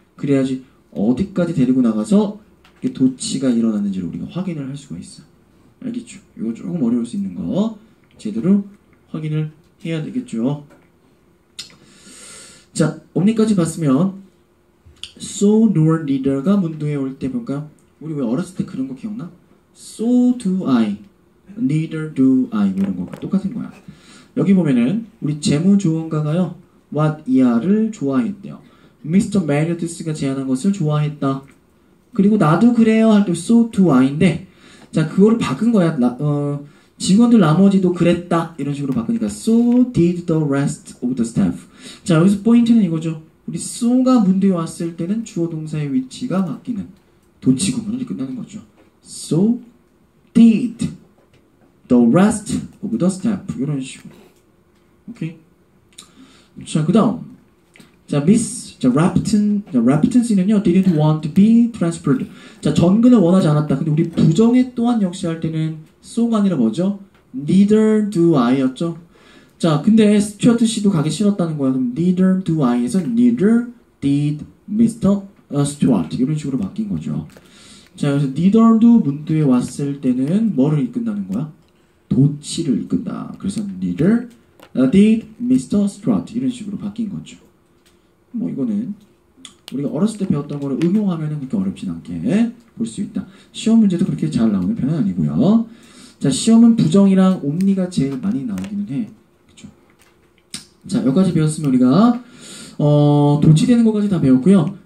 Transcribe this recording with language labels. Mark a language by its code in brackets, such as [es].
[ko] 그래야지 어디까지 데리고 나가서 이게 도치가 일어났는지를 우리가 확인을 할 수가 있어요. 알겠죠? 이거 조금 어려울 수 있는 거 제대로 확인을 해야 되겠죠? 자, 옴니까지 봤으면 [en] So do our leader [ko] 가 문도에 올 때 볼까? 우리 왜 어렸을 때 그런 거 기억나? [en] So do I, neither do I [ko] 이런 거 똑같은 거야. 여기 보면은 우리 재무조언가가요 What ER을 좋아했대요. [en] Mr. [ko] Meredith가 제안한 것을 좋아했다. 그리고 나도 그래요 할 때 [en] So do I [ko] 인데 자, 그거를 바꾼 거야. 직원들 나머지도 그랬다. 이런 식으로 바꾸니까 [en] So did the rest of the staff. [ko] 자, 여기서 포인트는 이거죠. 우리 So가 문대 왔을 때는 주어 동사의 위치가 바뀌는 도치 구문이 끝나는 거죠. [en] So did the rest of the staff. [ko] 이런 식으로. 오케이? 자, 그 다음. [en] 자, Miss, 자, Rapton, 자, Rapton [ko] 씨는요, [en] didn't want to be transferred. [ko] 자, 전근을 원하지 않았다. 근데 우리 부정의 또한 역시 할 때는 so가 아니라 뭐죠? [en] neither do I [ko] 였죠? 자, 근데 스튜어트 씨도 가기 싫었다는 거야. 그럼 [en] neither do I [ko] 에서 [en] neither did Mr. [ko] Stewart. 이런 식으로 바뀐 거죠. 자, 여기서 neither do 문두에 왔을 때는 뭐를 이끈다는 거야? 도치를 이끈다. 그래서 [en] neither did Mr. [ko] Stewart. 이런 식으로 바뀐 거죠. 뭐 이거는 우리가 어렸을 때 배웠던 거를 응용하면 그렇게 어렵진 않게 볼 수 있다. 시험 문제도 그렇게 잘 나오는 편은 아니고요. 자, 시험은 부정이랑 옴니가 제일 많이 나오기는 해. 그렇죠? 자, 여기까지 배웠으면 우리가 도치되는 것까지 다 배웠고요.